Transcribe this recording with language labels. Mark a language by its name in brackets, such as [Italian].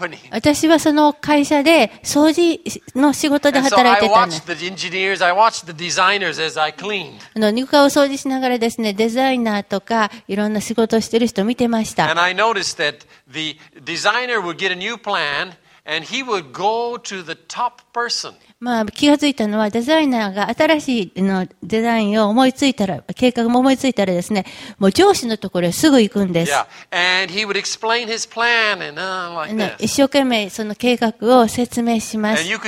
[Japanese] 私はその会社で掃除の仕事で働いてたんです。 [English] so、I watched the designers as I cleaned. [Japanese] 床を掃除しながらですね、デザイナーとかいろんな仕事をしてる人を見てました。 [English] and I noticed that the designer would get a new plan and he would go to the top person. [Japanese] まあ、気がついたのは、デザイナーが新しいのデザインを思いついたら、計画も思いついたらですね、もう上司のところへすぐ行くんです。 [English] Yeah. And he would explain his plan and, like this. [Japanese] 一生懸命その計画を説明します。